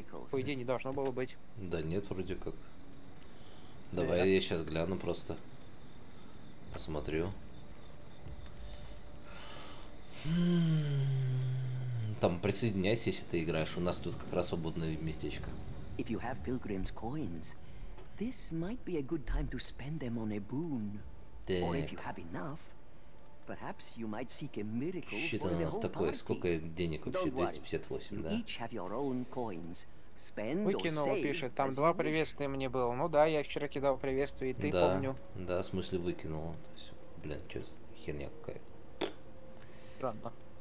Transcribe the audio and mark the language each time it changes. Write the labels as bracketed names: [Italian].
[Russian] По идее, не должно было быть. Да нет, вроде как. Давай я сейчас гляну просто. Посмотрю. Там, присоединяйся, если ты играешь. У нас тут как раз свободное местечко. [English] If you have pilgrim's coins, this might be a good time to spend them on a boon. [Russian] Так. [English] Or if you have enough, perhaps you might seek a miracle for the whole party. [Russian] Что-то у нас такое, сколько денег вообще? [English] 258, да? You each have your own coins. [Russian] Spend выкинул, [English] or save, [Russian] пишет, там два приветствия мне было. Ну да, я вчера кидал приветствие, и ты, да, помню. Да, в смысле выкинул. То есть, блин, что за херня какая? Странно.